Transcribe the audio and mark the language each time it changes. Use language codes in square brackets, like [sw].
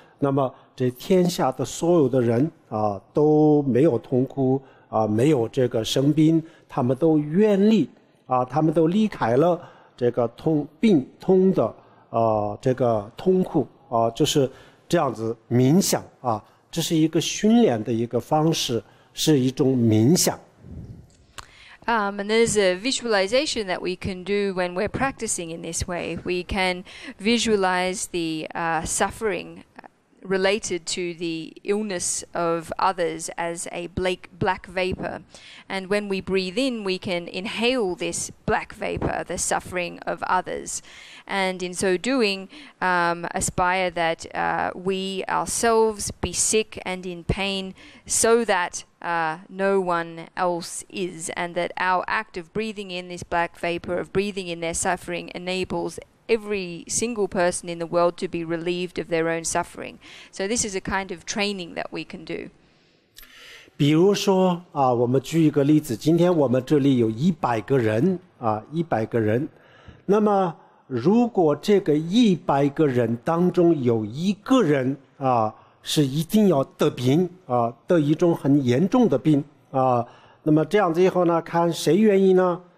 [zh] 那么这天下的所有的人啊都没有痛苦啊，没有这个生病，他们都愿意啊，他们都离开了。这个痛病痛的这个痛苦就是这样子冥想啊，这是一个训练的一个方式，是一种冥想。 [en] And there's a visualization that we can do when we're practicing in this way. We can visualize the suffering related to the illness of others as a black vapor. And when we breathe in, we can inhale this black vapor, the suffering of others. And in so doing, aspire that we ourselves be sick and in pain so that no one else is, and that our act of breathing in this black vapor, of breathing in their suffering, enables every single person in the world to be relieved of their own suffering. So this is a kind of training that we can do. [zh] 比如说啊，我们举一个例子，今天我们这里有100个人啊，100个人。那么如果这个100个人当中有一个人啊，是一定要得病啊，得一种很严重的病啊，那么这样子以后呢，看谁愿意呢？